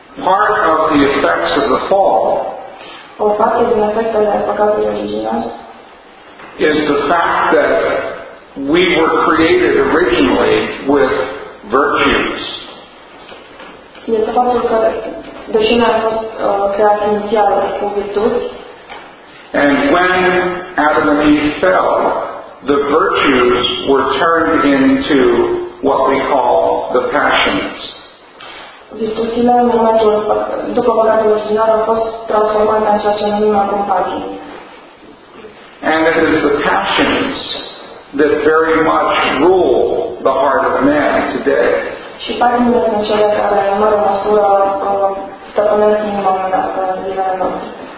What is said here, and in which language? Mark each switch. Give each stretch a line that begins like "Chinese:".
English: Part of the effects of the fall.
Romanian: O parte din efectele păcatului original.
English: Is the fact that we were created originally with virtues.
Romanian: Este faptul că deși noi am fost creat inițial cu virtuți.
English: And when Adam and Eve fell, the virtues were turned into what we call the passions.
Romanian: Virtuțile în momentul după păcatul original au fost transformate în ceea ce numim acum pasiuni.
English: And it is the passions that very much rule the heart of man today.
Romanian: Și pasiunile sunt cele care, în mare măsură, stăpânesc inima omenească în zilele noastre.